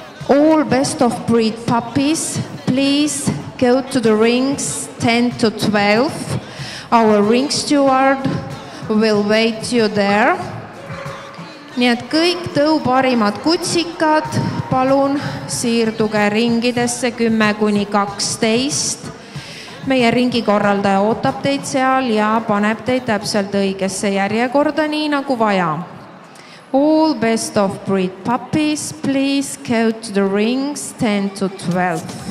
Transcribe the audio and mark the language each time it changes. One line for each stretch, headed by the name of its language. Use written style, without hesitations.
English: All best of breed puppies, please go to the rings 10-12. Our ring steward will wait you there.
Estonian: Nii et kõik tõu parimad kutsikad, palun siirduge ringidesse 10-12. Meie ringikorraldaja ootab teid seal ja paneb teid täpselt õigesse järjekorda nii nagu vaja.
English: All best of breed puppies, please go to the rings 10-12.